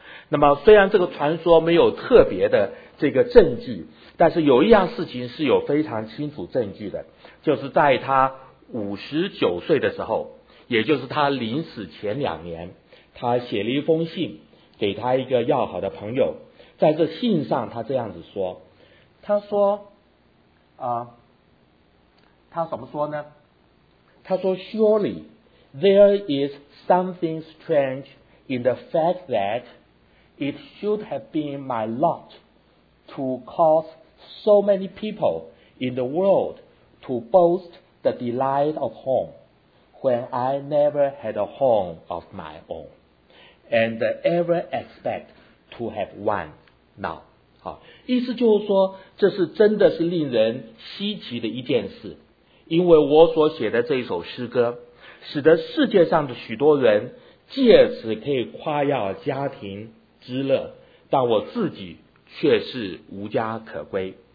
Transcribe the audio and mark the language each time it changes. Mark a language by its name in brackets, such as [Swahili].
[Chinese] 那么虽然这个传说没有特别的这个证据，但是有一样事情是有非常清楚证据的，就是在他59岁的时候，也就是他临死前两年，他写了一封信给他一个要好的朋友。在这信上他这样子说，他说他怎么说呢？他说 [English] Surely there is something strange in the fact that it should have been my lot to cause so many people in the world to boast the delight of home when I never had a home of my own and ever expect to have one now。 [Chinese] 好，意思就是说这是真的是令人稀奇的一件事，因为我所写的这一首诗歌使得世界上的许多人借此可以夸耀家庭之乐，但我自己却是无家可归。